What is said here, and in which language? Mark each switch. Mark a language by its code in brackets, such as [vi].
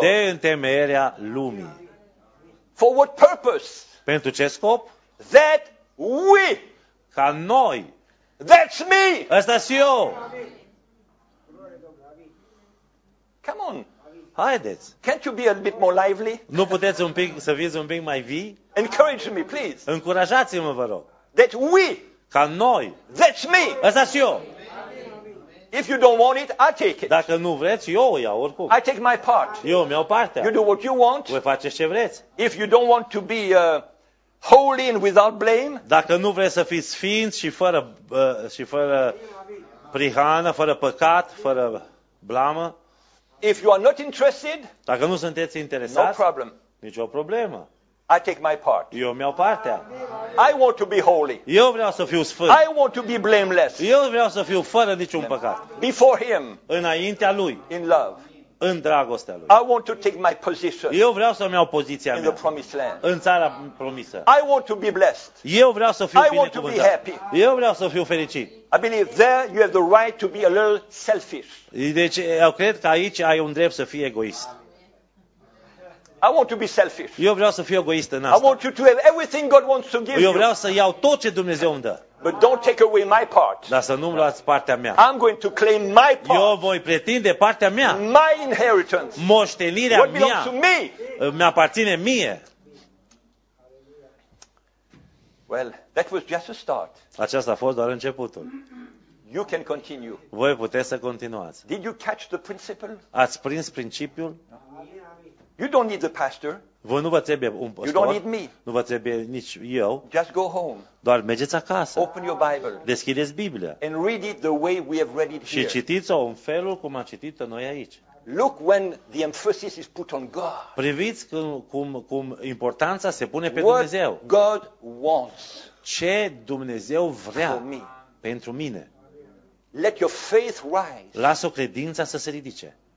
[ro] De întemeierea lumii. [en] For what purpose? [ro] Pentru ce scop? [en] That we. [ro] Ca noi. [en] That's me. [ro] Ăsta-s eu. [en] Come on. [ro] Haideți. [en] Can't you be a bit more lively? [ro] Nu puteți un pic să fiți un pic mai vii? [en] Encourage me, please. [ro] Încurajați-mă, vă rog. [en] That we. [ro] Ca noi. [en] That's me. [ro] Ăsta-s eu. [en] If you don't want it, I take it. [ro] Dacă nu vreți, eu o iau oricum. [en] I take my part. [ro] Eu îmi iau partea. [en] You do what you want. [ro] Voi faceți ce vreți. [en] If you don't want to be holy and without blame. [ro] Dacă nu vreți să fiți sfinți și fără și fără prihană, fără păcat, fără blamă. [en] If you are not interested. [ro] Dacă nu sunteți interesați. [en] No problem. [ro] Nicio problemă. [en] I take my part. [ro] Eu îmi iau partea. [en] I want to be holy. [ro] Eu vreau să fiu sfânt. [en] I want to be blameless. [ro] Eu vreau să fiu fără niciun păcat. [en] Before him. [ro] Înaintea lui. [en] In love. [ro] În dragostea lui. [en] I want to take my position. [ro] Eu vreau să îmi iau poziția [en] in [ro] mea. [en] The promised land. [ro] În țara promisă. [en] I want to be blessed. [ro] Eu vreau să fiu binecuvântat. [en] I want to be happy. [ro] Eu vreau să fiu fericit. [en] I believe there you have the right to be a little selfish. [ro] Deci eu cred că aici ai un drept să fii egoist. [en] I want to be selfish. [ro] Eu vreau să fiu egoist în asta. [en] I want you to have everything God wants to give you. [ro] Eu vreau să iau tot ce Dumnezeu îmi dă. [en] But don't take away my part. [ro] Dar să nu-mi luați partea mea. [en] I'm going to claim my part. [ro] Eu voi pretinde partea mea. [en] My inheritance. [ro] Moștenirea [en] what belongs [ro] mea. [en] To me. [ro] Mi-aparține mie. [en] Well, that was just a start. [ro] Aceasta a fost doar începutul. [en] You can continue. [ro] Voi puteți să continuați. [en] Did you catch the principle? [ro] Ați prins principiul? [en] You don't need the pastor. [ro] Voi nu vă trebuie un pastor. [en] You don't need me. [ro] Nu vă trebuie nici eu. [en] Just go home. [ro] Doar mergeți acasă. [en] Open your Bible. [ro] Deschideți Biblia. [en] And read it the way we have read it here. [ro] Și citiți-o în felul cum am citit-o noi aici. [en] Look when the emphasis is put on God. [ro] Priviți cum importanța se pune pe Dumnezeu. [en] What God wants. [ro] Ce Dumnezeu vrea [en] for me. [ro] Pentru mine. [en] Let your faith rise. [ro] Lasă credința să se ridice.